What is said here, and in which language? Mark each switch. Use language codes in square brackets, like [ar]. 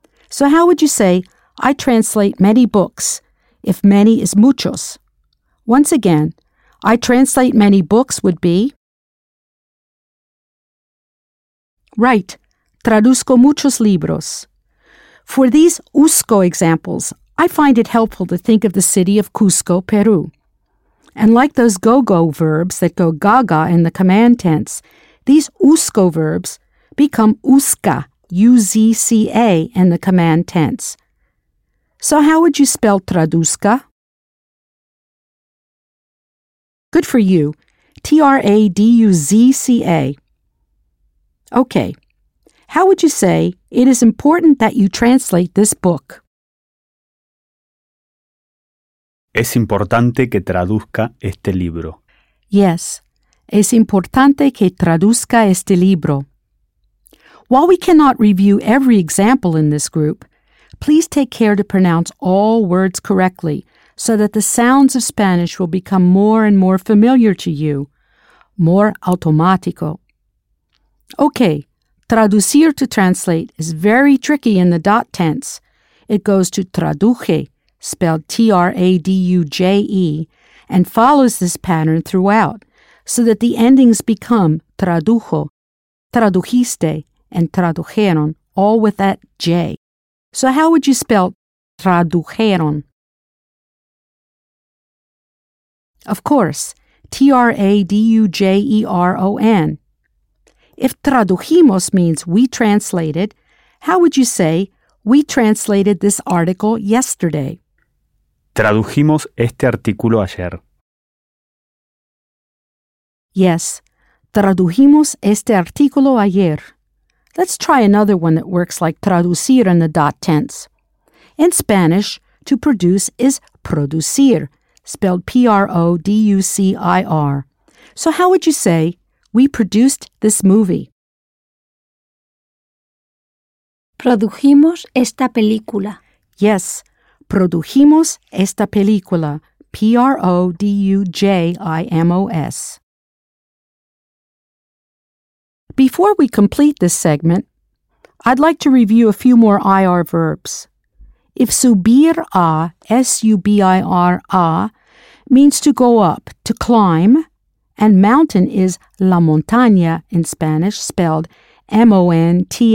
[en] So how would you say, I translate many books, if many is muchos? Once again, I translate many books would be? Right, traduzco muchos libros. For these usco examples, I find it helpful to think of the city of Cusco, Peru. And like those go-go verbs that go gaga in the command tense, these usco verbs become usca, U-Z-C-A, in the command tense. So how would you spell traduzca? Good for you. T-R-A-D-U-Z-C-A. Okay. How would you say, it is important that you translate this book? [es] Es importante que traduzca este libro. Yes, es importante que traduzca este libro. [en] While we cannot review every example in this group, please take care to pronounce all words correctly so that the sounds of Spanish will become more and more familiar to you, more automático. Okay, traducir to translate is very tricky in the dot tense. It goes to traduje, spelled T-R-A-D-U-J-E, and follows this pattern throughout, so that the endings become tradujo, tradujiste, and tradujeron, all with that J. So how would you spell tradujeron? Of course, T-R-A-D-U-J-E-R-O-N. If tradujimos means we translated, how would you say we translated this article yesterday? [es] Tradujimos este artículo ayer. Yes, tradujimos este artículo ayer. [en] Let's try another one that works like traducir in the dot tense. In Spanish, to produce is producir, spelled P-R-O-D-U-C-I-R. So how would you say, we produced this movie? [es] Produjimos esta película. [en] Yes. [es] Produjimos esta película, P-R-O-D-U-J-I-M-O-S. [en] Before we complete this segment, I'd like to review a few more IR verbs. If subir a, S-U-B-I-R a, means to go up, to climb, and mountain is la montaña in Spanish, spelled M-O-N-T-A-N-Y-A,